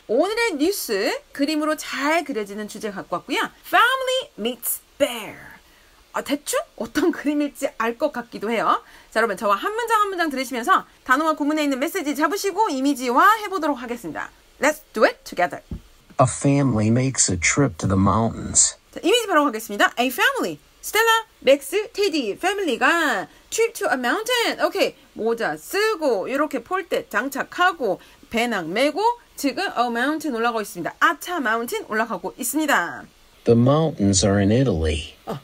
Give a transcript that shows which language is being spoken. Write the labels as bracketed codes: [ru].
[ko] 오늘의 뉴스 그림으로 잘 그려지는 주제 갖고 왔고요. [en] Family meets bear. [ko] 대충 어떤 그림일지 알 것 같기도 해요. 자, 여러분 저와 한 문장 한 문장 들으시면서 단어와 구문에 있는 메시지 잡으시고 이미지화 해보도록 하겠습니다. [en] Let's do it together. A family makes a trip to the mountains. [ko] 자, 이미지 바로 가겠습니다. [en] A family. Stella, Max, Teddy, family가 trip to a mountain. Okay. [ko] 모자 쓰고 이렇게 폴댓 장착하고 배낭 메고 지금 [en] a mountain [ko] 올라가고 있습니다. [en] Ata mountain [ko] 올라가고 있습니다. [en] The mountains are in Italy.